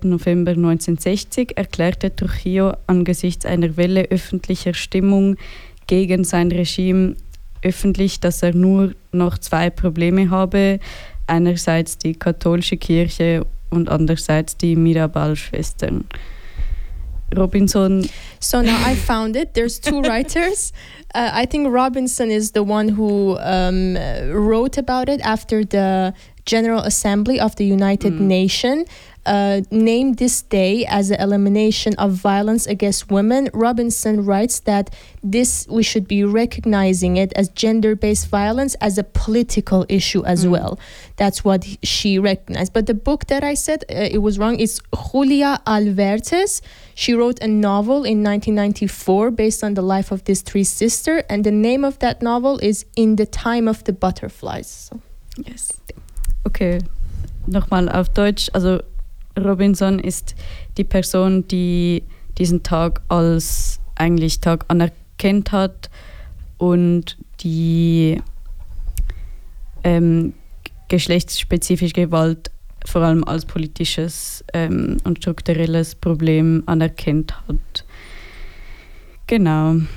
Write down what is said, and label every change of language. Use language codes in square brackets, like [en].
[de] November 1960 erklärte Trujillo angesichts einer Welle öffentlicher Stimmung gegen sein Regime öffentlich, dass er nur noch zwei Probleme habe, einerseits die katholische Kirche und andererseits die Mirabal-Schwestern. [en] Robinson. So now I found it. There's two writers. I think Robinson is the one who wrote about it after the General Assembly of the United Nations. Named this day as the elimination of violence against women. Robinson writes that this we should be recognizing it as gender-based violence as a political issue as well. That's what she recognized. But the book that I said, it was wrong, is Julia Alvertes. She wrote a novel in 1994 based on the life of these three sisters, and the name of that novel is In the Time of the Butterflies. So. Yes. Okay. [de] Nochmal auf Deutsch, also Robinson ist die Person, die diesen Tag als eigentlich Tag anerkannt hat und die geschlechtsspezifische Gewalt vor allem als politisches und strukturelles Problem anerkannt hat. Genau.